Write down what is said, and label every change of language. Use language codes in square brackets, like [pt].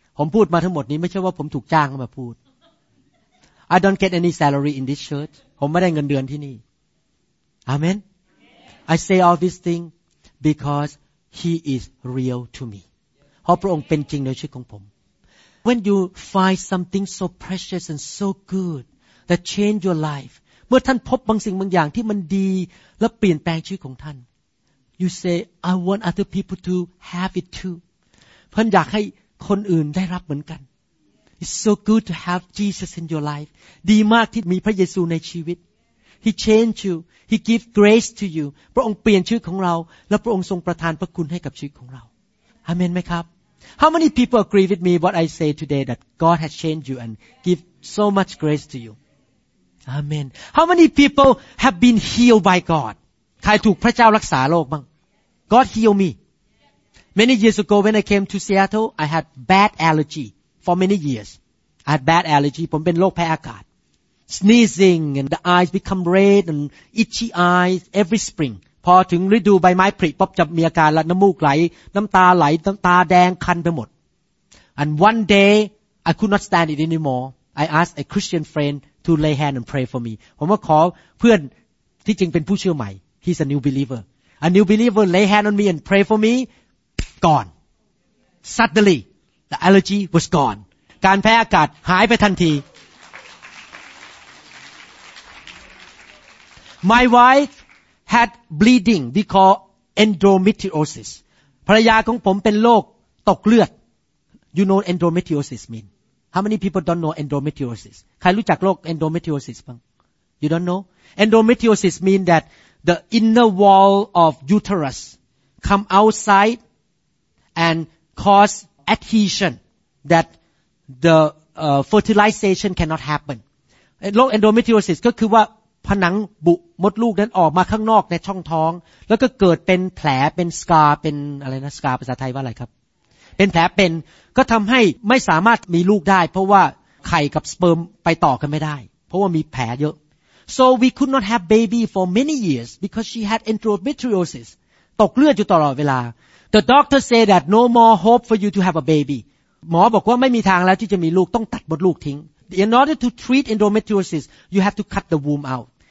[th] ผมพูดมาทั้งหมดนี้ไม่ใช่ว่าผมถูกจ้างมาพูด [en] I don't get any salary in this church. [th] ผมไม่ได้เงินเดือนที่นี่ Amen. [en] I say all these things because He is real to me. [th] เพราะพระองค์เป็นจริงในชีวิตของผม [en] When you find something so precious and so good that change your life, [th] เมื่อท่านพบบางสิ่งบางอย่างที่มันดีและเปลี่ยนแปลงชีวิตของท่าน [en] you say I want other people to have it too [th] ท่านอยากให้คนอื่นได้รับเหมือนกัน [en] it's so good to have Jesus in your life [th] ดีมากที่มีพระเยซูในชีวิต [en] he changed you he give grace to you [th] พระองค์เปลี่ยนชีวิตของเราและพระองค์ทรงประทานพระคุณให้กับชีวิตของเราอาเมนไหมครับ [en] how many people agree with me what I say today that God has changed you and give so much grace to youAmen. How many people have been healed by God? [th] ใครถูกพระเจ้ารักษาโรคบ้าง [en] God healed me. Many years ago when I came to Seattle, I had bad allergy for many years. I had bad allergy. [th] ผมเป็นโรคแพ้อากาศ [en] Sneezing and the eyes become red and itchy eyes every spring. [th] พอถึงฤดูใบไม้ผลิปุ๊บจะมีอาการระน้ำมูกไหลน้ำตาไหลตาแดงคันไปหมด [en] And one day, I could not stand it anymore. I asked a Christian friendTo lay hand and pray for me. [th] ผมก็ขอเพื่อนที่จริงเป็นผู้เชื่อใหม่ [en] He's a new believer. A new believer lay hand on me and pray for me. Gone. Suddenly, the allergy was gone. [th] การแพ้อากาศหายไปทันที [en] My wife had bleeding. We call endometriosis. [th] ภรรยาของผมเป็นโรคตกเลือด [en] You know endometriosis mean? How many people don't know endometriosis? [th] ใครรู้จักโรค endometriosis บ้าง [en] You don't know? Endometriosis means that the inner wall of uterus come outside and cause adhesion that the fertilization cannot happen. [th] โรค endometriosis ก็คือว่าผนังบุมดลูกนั้นออกมาข้างนอกในช่องท้องแล้วก็เกิดเป็นแผลเป็น scar เป็นอะไรนะ scar ภาษาไทยว่าอะไรครับ เป็นแผลเป็นก็ทำให้ไม่สามารถมีลูกได้เพราะว่าไข่กับสเปิร์มไปต่อกันไม่ได้เพราะว่ามีแผลเยอะ [en] so we could not have baby for many years because she had endometriosis [th] ตกเลือดอยู่ตลอดเวลา [en] the doctor say that no more hope for you to have a baby [th] หมอบอกว่าไม่มีทางแล้วที่จะมีลูกต้องตัดมดลูกทิ้ง [en] in order to treat endometriosis you have to cut the womb out